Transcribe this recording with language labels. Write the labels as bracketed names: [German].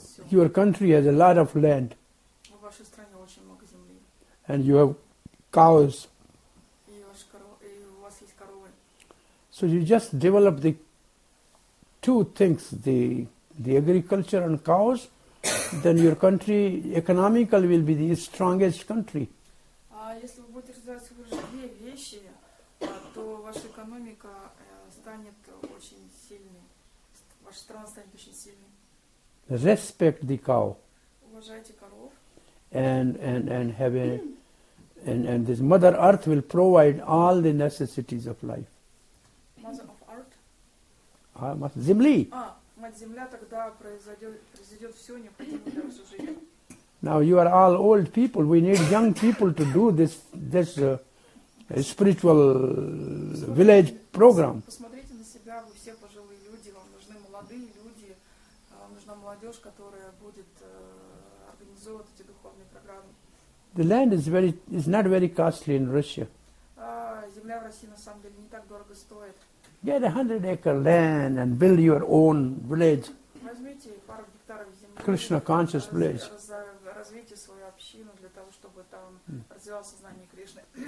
[English] Your country has a lot of land. [Russian] В вашей стране очень много земли. [English] And you have cows. [Russian] И у вас есть коровы. [English] So you just develop the two things, the agriculture and cows, then your country economically will be the strongest country. [Russian] Если вы будете развивать уже две вещи, то ваша экономика станет очень сильной. Ваша страна станет очень сильной. [English] Respect the cow. [Russian] Уважайте коров. [English] And have a and this Mother Earth will provide all the necessities of life. Mother of Earth? [Russian] Мать земли. Мать земля тогда произойдет все необходимое для вашей жизни. [English] Now you are all old people. We need young people to do this spiritual village program. [Russian] Посмотрите на себя, вы все пожилые люди, вам нужны молодые люди. Нужна молодежь, которая будет организовывать эти духовные программы. [English] The land is not very costly in Russia. [Russian] Земля в России на самом деле не так дорого стоит. [English] Get 100 acre land and build your own village. [Russian] Возьмите пару гектаров земли. [English] Krishna conscious village. [Russian] Развейте свою общину для того, чтобы там развивалось знание Кришны.